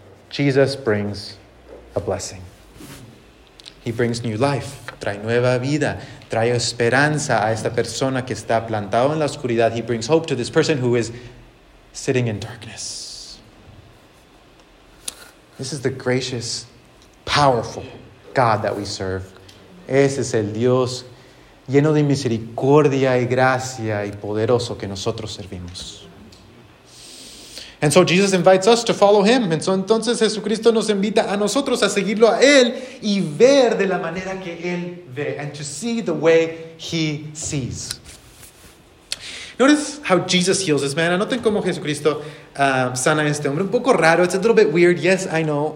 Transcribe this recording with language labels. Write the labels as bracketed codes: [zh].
[en] Jesus brings a blessing. He brings new life. [es] Trae nueva vida. Trae esperanza a esta persona que está plantado en la oscuridad. [en] He brings hope to this person who is sitting in darkness. This is the gracious, powerful God that we serve. [es] Ese es el Dios lleno de misericordia y gracia y poderoso que nosotros servimos. [en] And so Jesus invites us to follow him. [es] And so entonces Jesucristo nos invita a nosotros a seguirlo a él y ver de la manera que él ve. [en] And to see the way he sees. Notice how Jesus heals this man. [es] Anoten cómo Jesucristo sana a este hombre. Un poco raro. [en] It's a little bit weird. Yes, I know.